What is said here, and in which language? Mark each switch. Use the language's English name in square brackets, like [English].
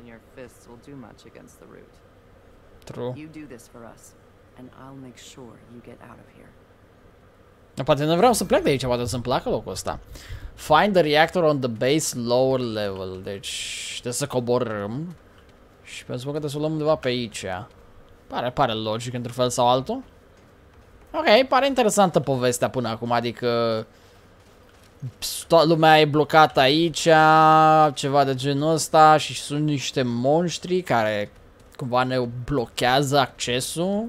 [English] Your fists will do much against the root. True. You do this for us and I'll make sure you get out of here. [Romanian] Poate nu vreau să plec de aici, poate să-mi placă locul ăsta. [English] Find the reactor on the base lower level. [Romanian] Deci, trebuie să coborâm. Și pentru că trebuie să o luăm undeva pe aici. Pare logic într-un fel sau altul. Ok, pare interesantă povestea până acum. Adică, toată lumea e blocată aici. Ceva de genul ăsta. Și sunt niște monștri care cumva ne blochează accesul.